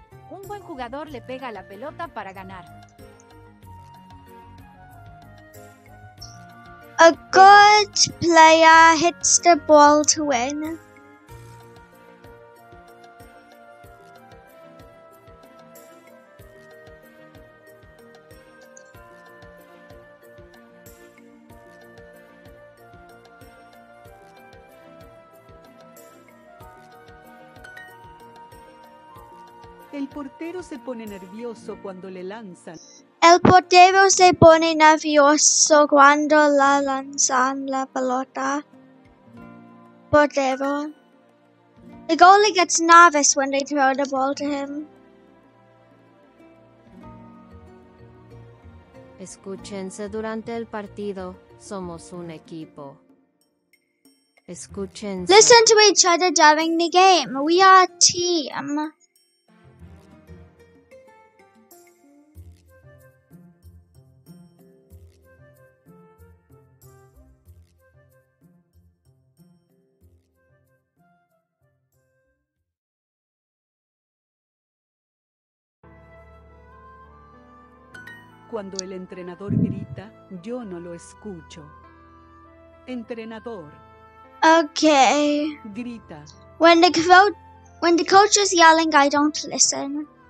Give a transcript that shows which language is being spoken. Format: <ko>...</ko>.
<es>Un buen jugador le pega la pelota para ganar.</es> <en>A good player hits the ball to win.</en> <es>El portero se pone nervioso cuando le lanzan. El portero se pone nervioso cuando la lanzan la pelota. Portero.</es> <en>The goalie gets nervous when they throw the ball to him.</en> <es>Escúchense durante el partido. Somos un equipo. Escúchense.</es> <en>Listen to each other during the game. We are a team.</en> <es>Cuando el entrenador grita, yo no lo escucho. Entrenador.</es> <en>Okay.</en> <es>Grita.</es> <en>When the coach is yelling, I don't listen.</en>